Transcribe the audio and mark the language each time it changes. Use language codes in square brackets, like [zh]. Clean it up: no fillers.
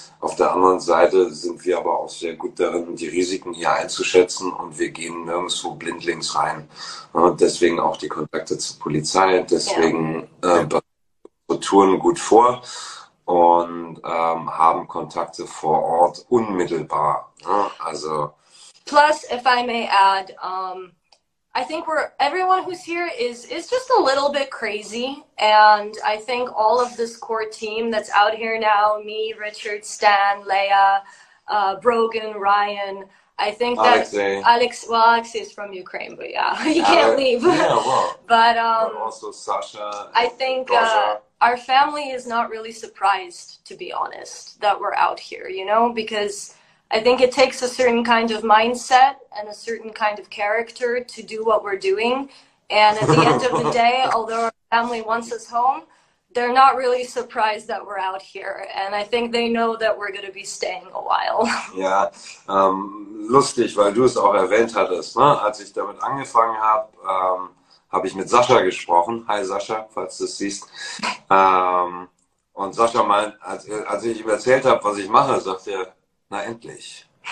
[de] Auf der anderen Seite sind wir aber auch sehr gut darin, die Risiken hier einzuschätzen und wir gehen nirgendwo blindlings rein. Ja, deswegen auch die Kontakte zur Polizei, deswegen Touren gut vor. Und haben Kontakte vor Ort unmittelbar. Ne? Also. [en] Plus, if I may add, I think everyone who's here is just a little bit crazy. And I think all of this core team that's out here now, me, Richard, Stan, Leia, Brogan, Ryan, I think that Alexei is from Ukraine, but yeah, he can't leave. Yeah, well, but also Sasha. I think our family is not really surprised, to be honest, that we're out here, you know, because I think it takes a certain kind of mindset and a certain kind of character to do what we're doing. And at the end of the day, although our family wants us home, they're not really surprised that we're out here. And I think they know that we're going to be staying a while. [de] Ja, lustig, weil du es auch erwähnt hattest, ne? Als ich damit angefangen habe, habe ich mit Sascha gesprochen. Hi Sascha, falls du es siehst. Und Sascha meint, als ich ihm erzählt habe, was ich mache, sagt er, na endlich.